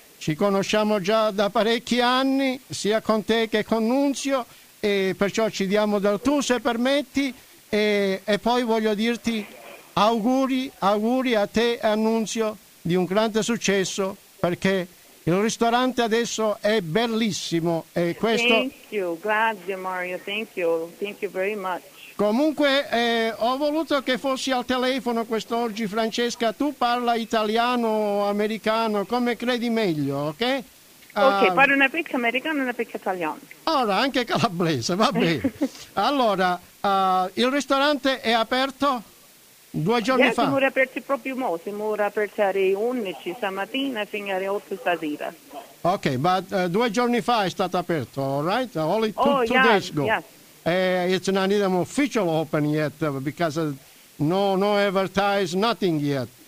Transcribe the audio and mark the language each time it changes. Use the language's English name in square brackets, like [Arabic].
[Italian] Ci conosciamo già da parecchi anni, sia con te che con Nunzio, e perciò ci diamo del tu, se permetti, e poi voglio dirti auguri a te e a Nunzio di un grande successo, perché il ristorante adesso è bellissimo, e questo... [English] Thank you, grazie Mario, thank you very much. [Italian] Comunque, ho voluto che fossi al telefono quest'oggi, Francesca. Tu parla italiano o americano, come credi meglio, ok? Ok, parlo una picca americana e una picca italiana. Ora, anche calabrese, va bene. Allora, il ristorante è aperto due giorni fa? Siamo aperti proprio mo, siamo aperti alle 11 stamattina fino alle 8 stasera. Ok, ma due giorni fa è stato aperto, [English] all right? Only two days ago. Yes. It's not even official open yet because no advertise, nothing yet.